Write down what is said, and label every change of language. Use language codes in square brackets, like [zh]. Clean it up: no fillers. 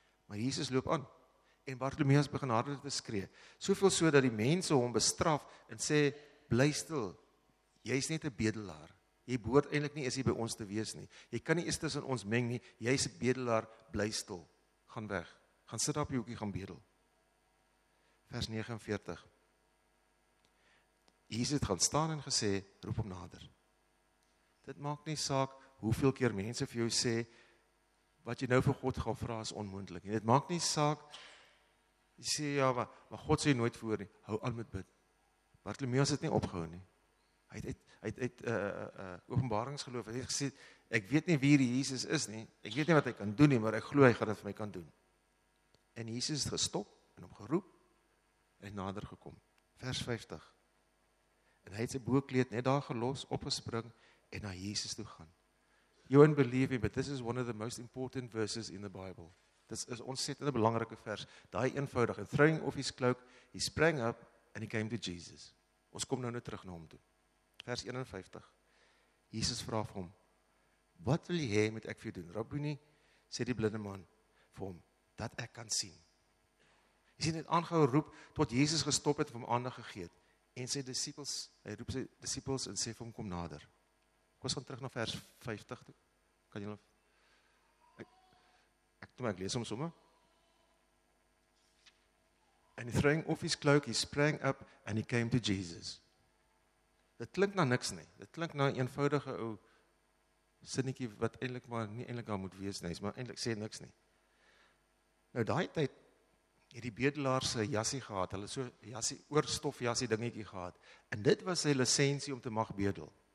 [af] Maar Jesus loop aan, en Bartimeus begin harder te skree, soveel so dat die mense hom bestraf en sê, bly stil, jy is net 'n bedelaar, jy behoort eintlik nie eens hier by ons te wees nie, jy kan nie eens tussen ons meng nie, jy is 'n bedelaar, bly stil, gaan weg, gaan sit op jou hoekie, gaan bedel. Vers 49, Jesus het gaan staan en gesê, roep hom nader. Dit maak nie saak hoeveel keer mense vir jou sê, wat jy nou vir God gaan vra is onmoontlik. Dit maak nie saak, jy sê, ja, maar God sê nooit voor nie, hou aan met bid. Bartimeus het nie opgehou nie. Hy het openbaringsgeloof, hy het gesê, ek weet nie wie hierdie Jesus is nie, ek weet nie wat hy kan doen nie, maar ek glo hy gaan dit vir my kan doen. En Jesus het gestop en hom geroep, en nader gekom. Vers 50. En hy het sy boekleed net daar gelos, opgespring, en na Jesus toe gaan. [en] You won't believe me, but this is one of the most important verses in the Bible. [af] Dit is ontsettende belangrike vers, daai eenvoudig, [en] and throwing off his cloak, he sprang up, and he came to Jesus. [af] Ons kom nou terug na hom toe. Vers 51. Jesus vraag vir hom, wat wil jy hê moet ek vir jou doen? Rabboni, sê die blinde man vir hom, dat ek kan sien. Hy sien het aangehou roep, tot Jesus gestop het, vir hom aandag gegee het, en sy disciples, hy roep sy disciples, en sê vir hom, kom nader. Ons gaan terug na vers 50 toe. Kan jy nou, ek lees hom somme. [en] And he throwing off his cloak, he sprang up, and he came to Jesus. [af] Dit klink na niks nie, dit klink na eenvoudige ou sinnetjie, wat eintlik maar nie eintlik daar moet wees nie, maar eintlik sê niks nie. Nou daai tyd, het die bedelaar sy jassie gehad, hulle so jassie, oorstof jassie dingetjie gehad, en dit was sy lisensie om te mag bedel.